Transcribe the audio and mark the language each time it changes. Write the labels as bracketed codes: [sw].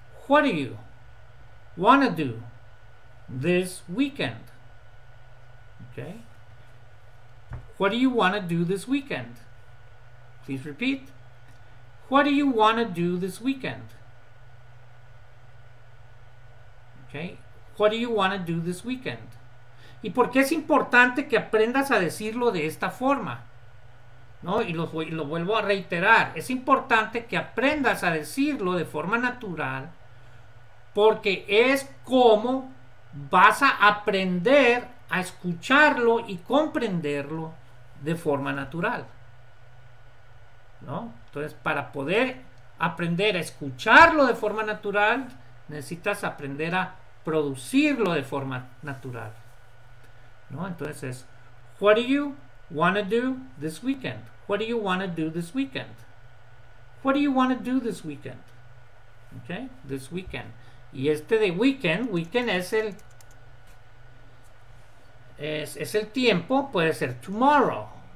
[en] What do you want to do this weekend? Okay. What do you want to do this weekend? Please repeat. What do you want to do this weekend? Okay. What do you want to do this weekend? [es] ¿Y por qué es importante que aprendas a decirlo de esta forma? ¿No? Y lo vuelvo a reiterar, es importante que aprendas a decirlo de forma natural porque es como vas a aprender a escucharlo y comprenderlo de forma natural, ¿no? Entonces, para poder aprender a escucharlo de forma natural, necesitas aprender a producirlo de forma natural, ¿no? Entonces es, [en] what do you want to do this weekend? What do you want to do this weekend? What do you want to do this weekend? Okay, this weekend. [es] Y este de weekend es el tiempo, puede ser tomorrow.